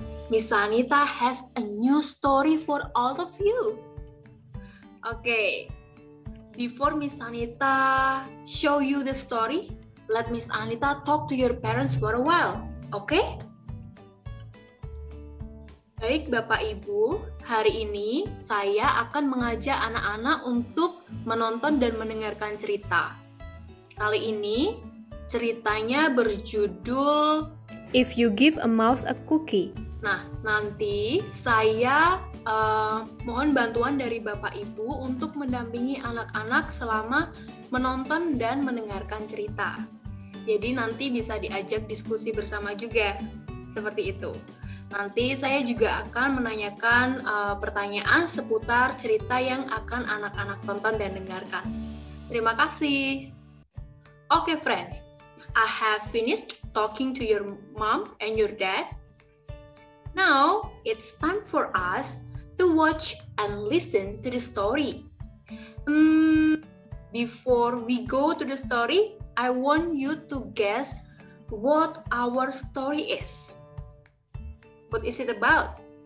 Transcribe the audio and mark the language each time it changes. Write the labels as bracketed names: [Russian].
[English] Miss Anita has a new story for all of you. Okay, before Miss Anita show you the story, let Miss Anita talk to your parents for a while, okay? [Indonesian] Baik, Bapak Ibu, hari ini saya akan mengajak anak-anak untuk menonton dan mendengarkan cerita. Kali ini, ceritanya berjudul [English] If You Give a Mouse a Cookie. [Indonesian] Nah, nanti saya mohon bantuan dari Bapak Ibu untuk mendampingi anak-anak selama menonton dan mendengarkan cerita. Jadi nanti bisa diajak diskusi bersama juga, seperti itu. Nanti saya juga akan menanyakan pertanyaan seputar cerita yang akan anak-anak tonton dan dengarkan. Terima kasih. [English] Okay, friends, I have finished talking to your mom and your dad. Now, it's time for us to watch and listen to the story. Before we go to the story, I want you to guess what our story is. What is it about?